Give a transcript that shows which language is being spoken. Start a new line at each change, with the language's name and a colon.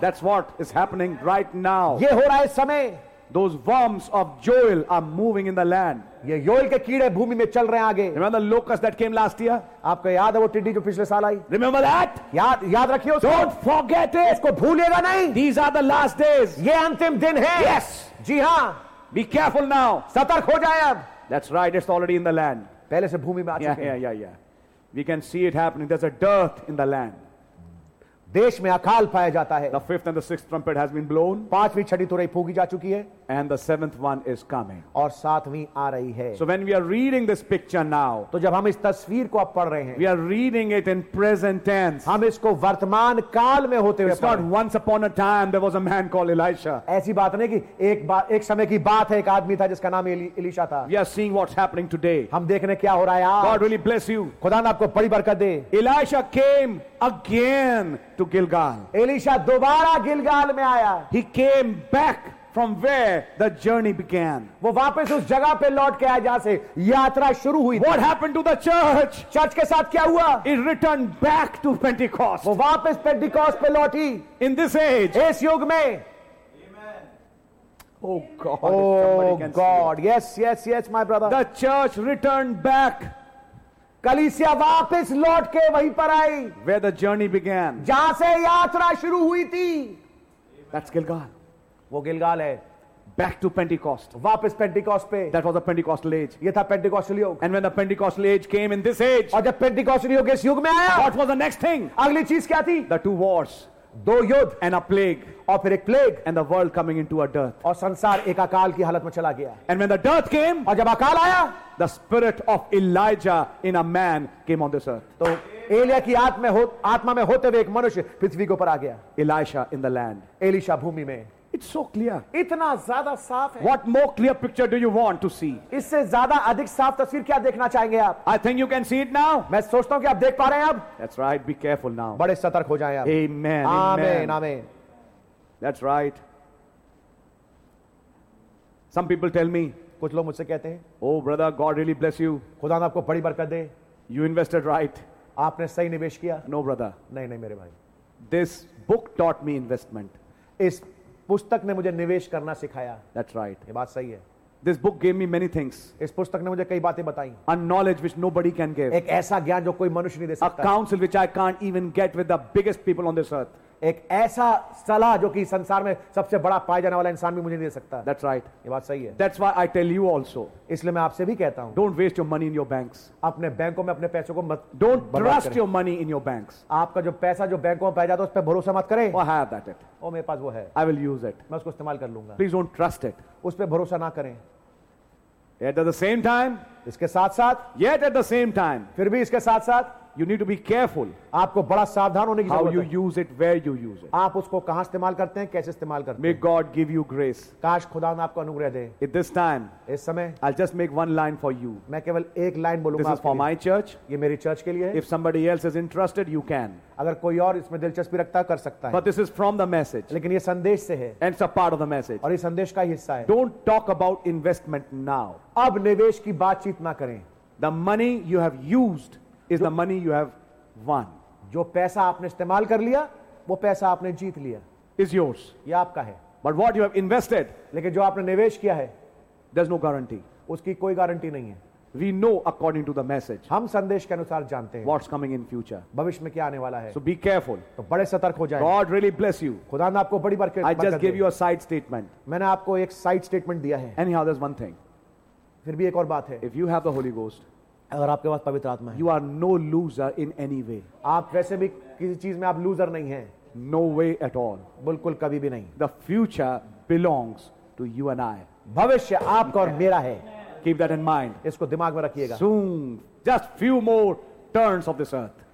English: That's what is happening right now.
Hindi: ये हो रहा है समय.
English: Those worms of Joel are moving in the land.
Hindi: ये योएल के कीड़े भूमि में चल रहे हैं आगे.
English: Remember the locust that came last year?
Hindi: आपको याद है वो टिड्डी जो पिछले साल आई?
English: Remember that?
Hindi: याद रखिए उसको.
English: Don't forget it.
Hindi: इसको भूलिएगा नहीं.
English: These are the last days.
Hindi: ये अंतिम दिन है.
English: Yes.
Hindi: जी हाँ.
English: Be careful now.
Hindi: सतर्क हो जाए अब.
English: That's right. It's already in the land.
Hindi: पहले से भूमि में आ चुके.
English: Yeah. We can see it happening. There's a dearth in the land.
Hindi: देश में अकाल पाया जाता है.
English: The fifth and the sixth trumpet has been blown.
Hindi: पांचवी छड़ी तुरई फूंकी जा चुकी है.
English: And the seventh one is coming.
Hindi: और सातवीं आ रही है.
English: So when we are reading this picture now,
Hindi: तो जब हम इस तस्वीर को आप पढ़ रहे हैं,
English: we are reading it in present tense.
Hindi: हम इसको वर्तमान काल में होते हुए.
English: It's not once upon a time there was a man called Elisha.
Hindi: ऐसी बात नहीं कि एक समय की बात है, एक आदमी था जिसका नाम एलिशा था.
English: We are seeing what's happening today.
Hindi: हम देख रहे क्या हो रहा है आज.
English: God really bless you.
Hindi: खुदा ने आपको बड़ी बरकत दे.
English: Elisha came again to Gilgal.
Hindi: Elisha दोबारा गिलगाल में आया.
English: He came back. From where the journey began.
Hindi: वो वापस उस जगह पे लौट के आया जहां से यात्रा शुरू हुई.
English: What happened to the church?
Hindi: Church के साथ क्या हुआ?
English: It returned back to Pentecost.
Hindi: वो वापस Pentecost पे लौटी.
English: In this age.
Hindi: इस युग में.
English: Oh God. Oh God. Yes, yes, yes, my brother. The church returned back.
Hindi: कलीसिया वापस लौट के वहीं पर आई.
English: Where the journey began.
Hindi: जहां से यात्रा शुरू हुई थी.
English: That's Gilgal.
Hindi: वो गिलगाल है.
English: Back to Pentecost.
Hindi: वापस Pentecost पे.
English: That was the Pentecostal age.
Hindi: ये था Pentecostal युग.
English: And when the Pentecostal age came in this age.
Hindi: और जब Pentecostal युग इस युग में आया.
English: What was the next thing?
Hindi: अगली चीज क्या थी?
English: The two wars.
Hindi: दो युद्ध.
English: And a plague.
Hindi: और फिर एक plague.
English: And the world coming into a dearth.
Hindi: और संसार एक अकाल की हालत में चला गया.
English: And when the dearth came.
Hindi: और जब अकाल आया.
English: The spirit of Elijah in a man came on this earth.
Hindi: तो एलिया की आत्मा में होते हुए एक मनुष्य पृथ्वी के ऊपर आ गया.
English: Elisha in the land.
Hindi: Elisha भूमि में.
English: It's so clear.
Hindi: इतना ज़्यादा साफ़ है.
English: What more clear picture do you want to see?
Hindi: इससे ज़्यादा अधिक साफ़ तस्वीर क्या देखना चाहेंगे आप?
English: I think you can see it now.
Hindi: मैं सोचता हूँ कि आप देख पा रहे हैं अब.
English: That's right. Be careful now.
Hindi: बड़े सतर्क हो जाएं आप.
English: Amen. Amen. Amen. That's right. Some people tell me.
Hindi: कुछ लोग मुझसे कहते हैं.
English: Oh brother, God really bless you.
Hindi: खुदा ने आपको बड़ी बरकत दे.
English: You invested right.
Hindi: आपने सही निवेश किया.
English: No brother.
Hindi: नहीं नहीं मेरे भाई.
English: This book taught me investment.
Hindi: इस पुस्तक ने मुझे निवेश करना सिखाया.
English: That's right.
Hindi: ये बात सही है.
English: This book gave me many things.
Hindi: इस पुस्तक ने मुझे कई बातें बताई.
English: A knowledge which nobody can give.
Hindi: एक ऐसा ज्ञान जो कोई मनुष्य नहीं दे सकता.
English: A counsel which I can't even get with the biggest people on this earth.
Hindi: एक ऐसा सलाह जो कि संसार में सबसे बड़ा पाया जाने वाला इंसान भी मुझे नहीं दे सकता.
English: That's right.
Hindi: ये बात सही है.
English: That's why I tell you also.
Hindi: इसलिए मैं आपसे भी कहता हूँ.
English: Don't waste your money in your banks.
Hindi: अपने बैंकों में अपने पैसों को मत.
English: Don't trust your money in your banks.
Hindi: आपका जो पैसा जो बैंकों में पाया जाता है उस पर भरोसा मत करें.
English: Oh, I have that.
Hindi: ओ मेरे पास वो है.
English: I will use it.
Hindi: मैं उसको इस्तेमाल कर लूंगा.
English: Please don't trust it.
Hindi: उस पर भरोसा ना करें.
English: Yet at the same time. इसके साथ साथ. Yet at the same time.
Hindi: फिर भी इसके साथ साथ.
English: You need to be careful.
Hindi: आपको बड़ा सावधान होने की जरूरत है.
English: How you use it, where you use it.
Hindi: आप उसको कहाँ इस्तेमाल करते हैं, कैसे इस्तेमाल करते हैं.
English: May God give you grace.
Hindi: काश खुदा आपको अनुग्रह दे.
English: At this time,
Hindi: इस समय,
English: I'll just make one line for you.
Hindi: मैं केवल एक लाइन बोलूँगा.
English: This is for my church.
Hindi: ये मेरी चर्च के लिए है.
English: If somebody else is interested, you can.
Hindi: अगर कोई और इसमें दिलचस्पी रखता कर सकता है.
English: But this is from the message.
Hindi: लेकिन ये संदेश से है.
English: And it's a part of the message.
Hindi: और ये संदेश का हिस्सा है.
English: Don't talk about investment now.
Hindi: अब निवेश की बातचीत ना करें.
English: The money you have used. Is the money you have won.
Hindi: जो पैसा आपने इस्तेमाल कर लिया वो पैसा आपने जीत लिया.
English: Is yours.
Hindi: ये आपका है.
English: But what you have invested.
Hindi: लेकिन जो आपने निवेश किया है.
English: There's no guarantee.
Hindi: उसकी कोई गारंटी नहीं है.
English: We know according to the message.
Hindi: हम संदेश के अनुसार जानते हैं.
English: What's coming in future.
Hindi: भविष्य में क्या आने वाला है.
English: So be careful.
Hindi: तो बड़े सतर्क हो जाएं.
English: God really bless you.
Hindi: खुदा ने आपको बड़ी बरकत दी.
English: I just gave you a side statement.
Hindi: मैंने आपको एक साइड स्टेटमेंट दिया है.
English: Anyhow, there's one thing.
Hindi: फिर भी एक और बात है.
English: If you have the Holy Ghost.
Hindi: अगर आपके पास पवित्र आत्मा है,
English: you are no loser in any way.
Hindi: आप वैसे भी किसी चीज में आप लूजर नहीं हैं.
English: No way at all.
Hindi: बिल्कुल कभी भी नहीं.
English: The future belongs to you and I.
Hindi: भविष्य आपका और मेरा है.
English: Keep that in mind.
Hindi: इसको दिमाग में रखिएगा.
English: Soon, just few more turns of this earth.